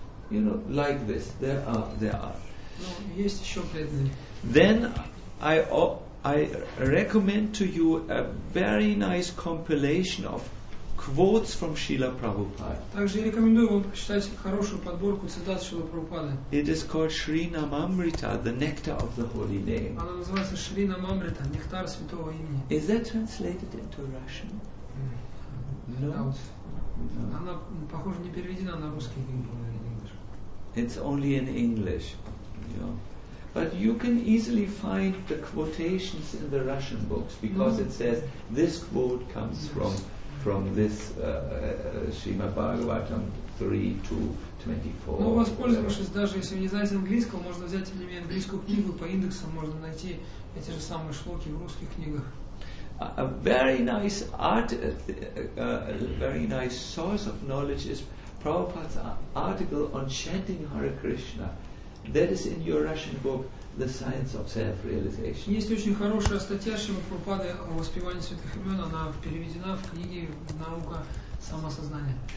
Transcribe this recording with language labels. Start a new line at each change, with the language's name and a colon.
English: You know, like this, there are.
Russian: Есть еще преданные.
English: Then I recommend to you a very nice compilation of quotes from Srila Prabhupada.
Russian: Также рекомендую вам прочитать хорошую подборку цитат Шрилы Прабхупады.
English: It is called Srinamamrita, the nectar of the holy name.
Russian: Она называется Srinamamrita, нектар святого имени.
English: Is that translated into Russian? No.
Russian: Она похоже не переведена на русский язык.
English: It's only in English, you know. But you can easily find the quotations in the Russian books because it says this quote comes from this Srimad Bhagavatam 3.2.24.
Russian: Ну, воспользовавшись, даже если вы не знаете английского, можно взять, тем не менее, английскую книгу, по индексам можно найти эти же самые шлоки в русских книгах.
English: A very nice very nice source of knowledge is Prabhupada's article on chanting Hare Krishna. That is in your Russian book, The Science of Self-Realization.
Russian: Есть очень хорошая статья Шрилы Прабхупады о воспевании святых имен. Она переведена в книге «Наука самосознания».